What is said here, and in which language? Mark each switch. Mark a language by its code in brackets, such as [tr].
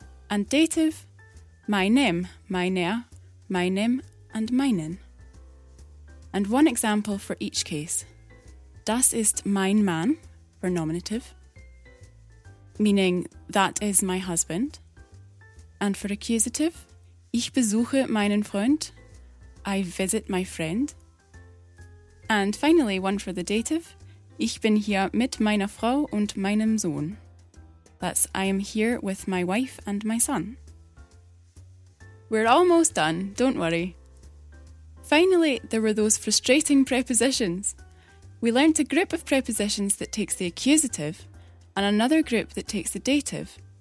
[en] And dative, meinem, meiner, meinem and meinen. and one example for each case. [de] Das ist mein Mann [en] for nominative, meaning that is my husband. And for accusative, [de] ich besuche meinen Freund, [en] I visit my friend. And finally, one for the dative, [de] ich bin hier mit meiner Frau und meinem Sohn. [en] That's I am here with my wife and my son. We're almost done, don't worry. Finally, there were those frustrating prepositions. We learnt a group of prepositions that takes the accusative and another group that takes the dative.